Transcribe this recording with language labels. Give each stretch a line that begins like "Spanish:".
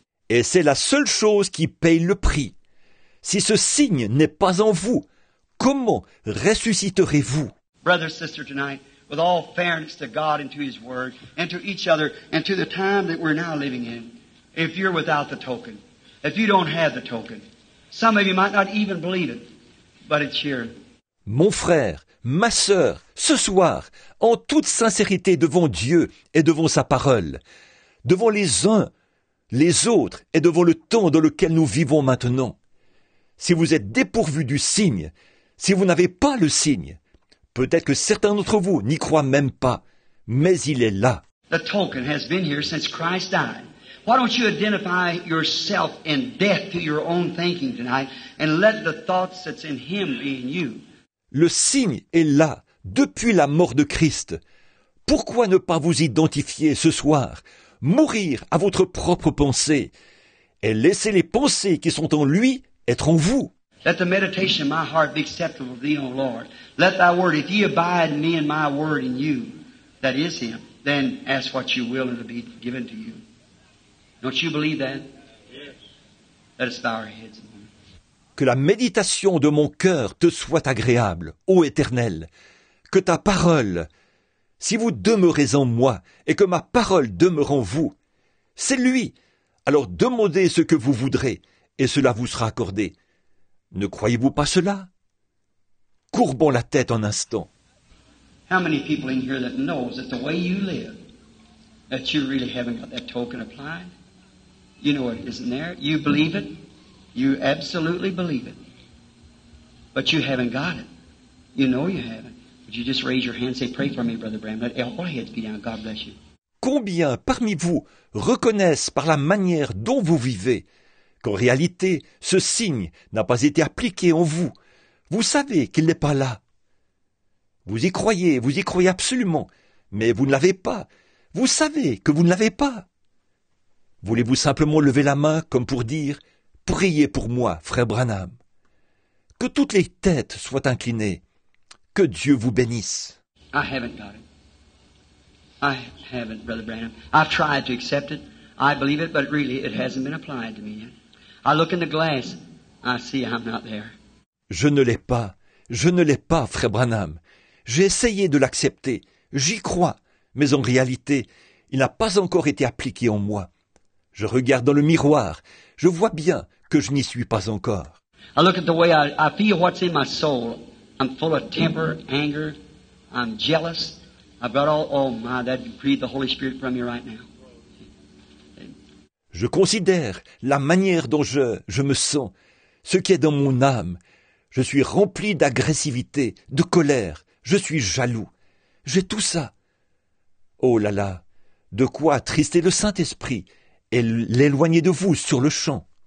French: Et c'est la seule chose qui paye le prix. Si ce signe n'est pas en vous, comment ressusciterez-vous ?
English: Brother, sister, tonight, with all fairness to God and to His Word and to each other and to the time that we're now living in, if you're without the token, if you don't have the token, some of you might not even believe it, but it's here.
French: Mon frère, ma sœur, ce soir, en toute sincérité devant Dieu et devant Sa parole, devant les uns, les autres et devant le temps dans lequel nous vivons maintenant, si vous êtes dépourvu du signe, si vous n'avez pas le signe, peut-être que certains d'entre vous n'y croient même pas, mais il est là.
English: The token has been here since Christ died. Why don't you identify yourself in death to your own thinking tonight and let the thoughts that's in him be in you?
French: Le signe est là depuis la mort de Christ. Pourquoi ne pas vous identifier ce soir, mourir à votre propre pensée et laisser les pensées qui sont en lui être en vous?
English: Let the meditation of my heart be acceptable to thee, O Lord. Let thy word, if ye abide in me and my word in you, that is him, then ask what you will and it will be given to you. Don't you believe that? Yes. Let us bow our heads.
French: Que la méditation de mon cœur te soit agréable, ô Éternel. Que ta parole, Si vous demeurez en moi et que ma parole demeure en vous, c'est lui. Alors demandez ce que vous voudrez et cela vous sera accordé. Ne croyez-vous pas cela? Courbons la tête un instant.
English: How many people in here that knows that the way you live, that you really haven't got that token applied? You know it isn't there. You believe it. You absolutely believe it. But you haven't got it. You know you haven't. Would you just raise your hand and say, pray for me, Brother Bram. Let all heads be down. God bless you.
French: Combien parmi vous reconnaissent par la manière dont vous vivez qu'en réalité, ce signe n'a pas été appliqué en vous? Vous savez qu'il n'est pas là. Vous y croyez absolument, mais vous ne l'avez pas. Vous savez que vous ne l'avez pas. Voulez-vous simplement lever la main comme pour dire « Priez pour moi, frère Branham ». Que toutes les têtes soient inclinées. Que Dieu vous bénisse.
English: I haven't got it. I haven't, Brother Branham. I've tried to accept it. I believe it, but really it hasn't been applied to me yet. I look in the glass. I see I'm not there.
French: Je ne l'ai pas. Je ne l'ai pas, frère Branham. J'ai essayé de l'accepter. J'y crois. Mais en réalité, il n'a pas encore été appliqué en moi. Je regarde dans le miroir. Je vois bien que je n'y suis pas encore.
English: I look at the way I feel what's in my soul. I'm full of temper, anger. I'm jealous. I've got all, oh my, that breathe the Holy Spirit from you right now.
French: Je considère la manière dont je me sens, ce qui est dans mon âme. Je suis rempli d'agressivité, de colère. Je suis jaloux. J'ai tout ça. Oh là là, de quoi attrister le Saint-Esprit et l'éloigner de vous sur le champ.